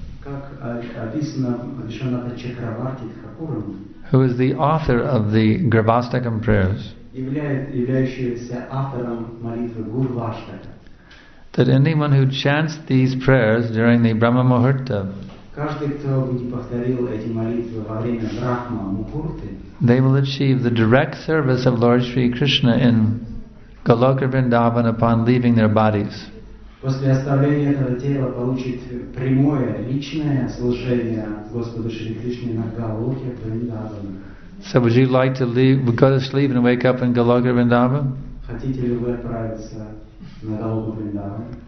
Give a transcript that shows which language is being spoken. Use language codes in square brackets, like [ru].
[ru] Как описано Вишванатха Чакраварти Тхакуром, [en] who is the author of the Gravastakam prayers, that anyone who chants these prayers during the Brahma Muhurta, they will achieve the direct service of Lord Sri Krishna in Goloka Vrindavan upon leaving their bodies. [ru] После оставления этого тела получит прямое личное служение Господу Шри Кришне на Галоке Вриндаване. [en] So would you like to leave, go to sleep and wake up in Галока Вриндаван? [ru] Хотите ли вы отправиться на Галоку Вриндаван?